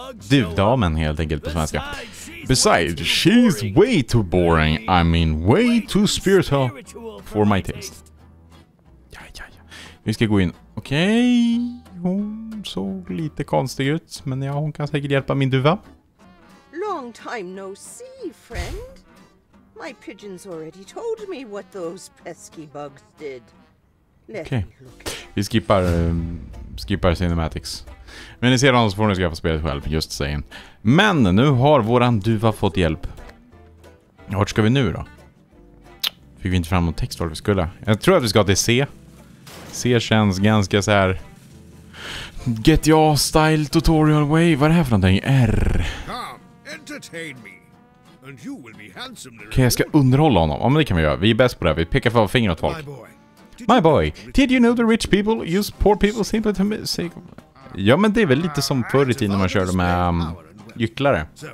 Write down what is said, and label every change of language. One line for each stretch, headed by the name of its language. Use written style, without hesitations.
Swedish: Duvdamen helt enkelt på svenska.
English: Besides, she's way too boring. I mean, way too spiritual for my taste.
Swedish: Ja. Vi ska gå in. Okej, hon såg lite konstig ut. Men ja, hon kan säkert hjälpa min duva.
English: Long time no see, friend. My pigeons already told me what those pesky bugs did.
Swedish: Okej. Vi skippar cinematics. Men ni ser honom så får ni skaffa spelet själv.
English: Just saying.
Swedish: Men nu har våran duva fått hjälp. Vart ska vi nu då? Fick vi inte fram någon text vart vi skulle? Jag tror att vi ska till C. C känns ganska så här.
English: GTA style tutorial way.
Swedish: Vad är det här för någonting? R.
English: Come, entertain me. And you will be handsome.
Swedish: Okej, jag ska underhålla honom. Ja, men det kan vi göra. Vi är bäst på det. Vi pekar för fingret åt folk.
English: My boy, did you know the rich people use poor people simply to say...
Swedish: Ja, men det är väl lite som förr i tiden när man körde med gycklare.